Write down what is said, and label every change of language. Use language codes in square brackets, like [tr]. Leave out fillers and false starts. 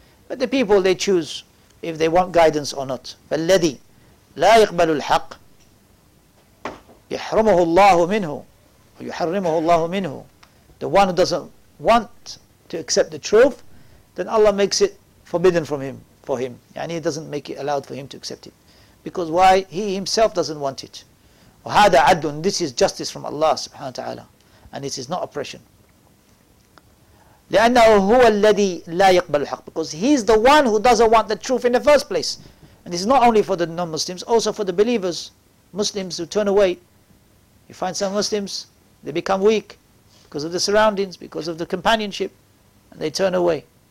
[en] But the people, they choose if they want guidance or not. [ar] فالذي لا يقبل الحق يحرمه الله منه ويحرمه الله منه. [en] The one who doesn't want to accept the truth, then Allah makes it forbidden from him, for him. يعني He doesn't make it allowed for him to accept it. Because why? He himself doesn't want it. [ar] وهذا عدل. [en] This is justice from Allah subhanahu wa ta'ala. And this is not oppression. [ar] لأنه هو الذي لا يقبل الحق. [en] Because he is the one who doesn't want the truth in the first place. And this is not only for the non-Muslims, also for the believers. Muslims who turn away. You find some Muslims, they become weak because of the surroundings, because of the companionship, and they turn away.